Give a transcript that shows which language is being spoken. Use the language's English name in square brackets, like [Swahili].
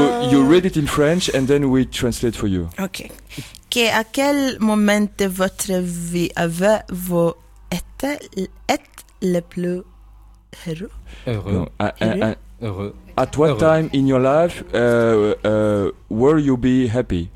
[English] You read it in French and then we translate for you. Okay. [French] Que à quel moment de votre vie avez-vous été le plus heureux? Heureux. [English] At what time in your life will you be happy?